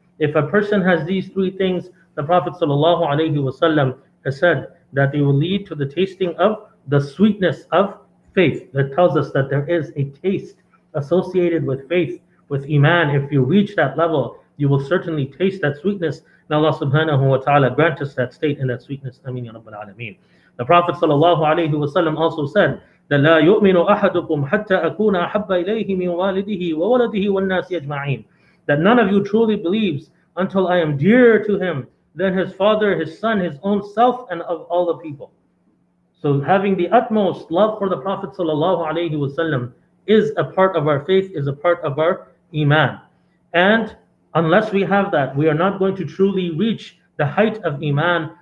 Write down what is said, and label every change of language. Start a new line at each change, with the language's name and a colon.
English: If a person has these three things, the Prophet sallallahu alayhi wasallam has said that they will lead to the tasting of the sweetness of faith. That tells us that there is a taste associated with faith, with Iman. If you reach that level, you will certainly taste that sweetness. May Allah subhanahu wa ta'ala grant us that state and that sweetness. Ameen ya Rabbil Alameen. The Prophet sallallahu alayhi wasallam also said,
Arabic: لا يؤمن أحدكم حتى أكون أحب إليه من والده وولده والناس أجمعين.
English: That none of you truly believes until I am dearer to him than his father, his son, his own self, and of all the people. So having the utmost love for the Prophet sallallahu alaihi wasallam is a part of our faith, is a part of our Iman. And unless we have that, we are not going to truly reach the height of Iman.